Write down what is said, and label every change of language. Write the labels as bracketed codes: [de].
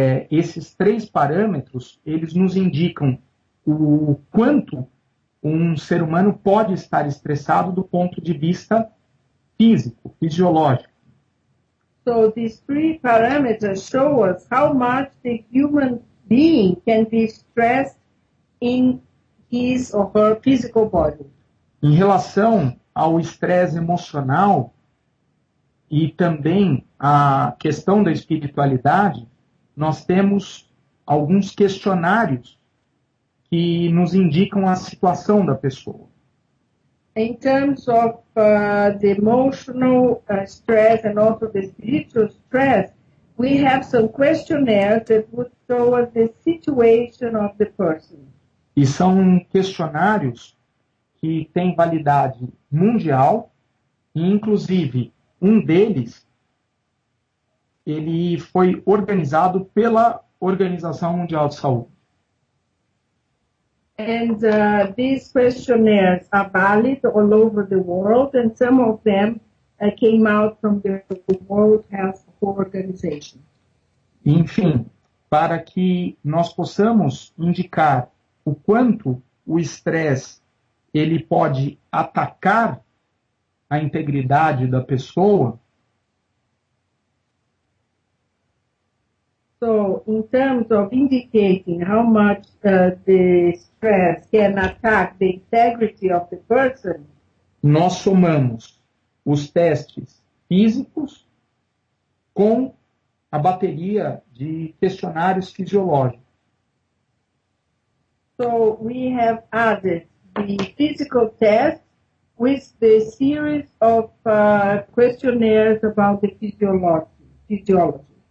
[pt] Esses três parâmetros, eles nos indicam o quanto um ser humano pode estar estressado do ponto de vista físico, fisiológico. [en] So these three parameters show us how much the human being can be stressed in his or her physical body. [pt] Em relação ao estresse emocional e também à questão da espiritualidade, nós temos alguns questionários que nos indicam a situação da pessoa. [en] In terms of the emotional stress and also the spiritual stress, we have some questionnaires that would show us the situation of the person. [pt] E são questionários que têm validade mundial, e inclusive um deles, ele foi organizado pela Organização Mundial de Saúde. [en] And these questionnaires are valid all over the world, and some of them came out from the World Health Organization. [pt] Enfim, para que nós possamos indicar o quanto o estresse ele pode atacar a integridade da pessoa. [en] So, in terms of indicating how much the stress can attack the integrity of the person, [pt] nós somamos os testes físicos com a bateria de questionários fisiológicos. [en] So, we have added the physical test with the series of questionnaires about the physiology.